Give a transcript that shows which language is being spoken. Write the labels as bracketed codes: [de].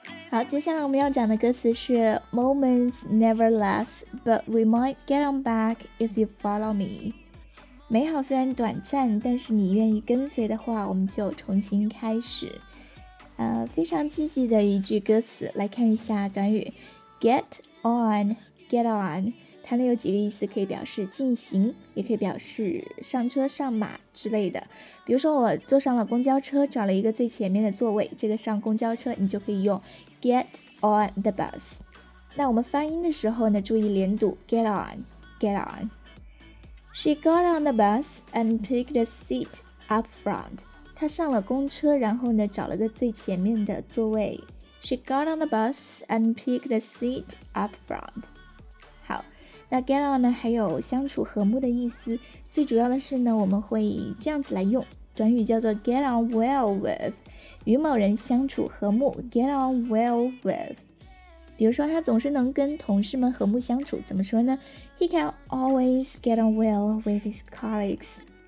[zh] 好，接下来我们要讲的歌词是 [en] Moments never last, but we might get on back if you follow me. [zh] 美好虽然短暂，但是你愿意跟随的话，我们就重新开始。非常积极的一句歌词，来看一下短语 get on 它呢有几个意思，可以表示进行，也可以表示上车上马之类的。比如说我坐上了公交车，找了一个最前面的座位，这个上公交车你就可以用 get on the bus。那我们发音的时候呢，注意连读 get on get on。 [en] She got on the bus and picked a seat up front。 [zh] 她上了公车，然后呢找了个最前面的座位。 [en] She got on the bus and picked a seat up front。 [zh] 好，那 get on 呢还有相处和睦的意思，最主要的是呢我们会这样子来用短语，叫做 get on well with， 与某人相处和睦， get on well with。比如说他总是能跟同事们和睦相处，怎么说呢？ [en] He can always get on well with his colleagues。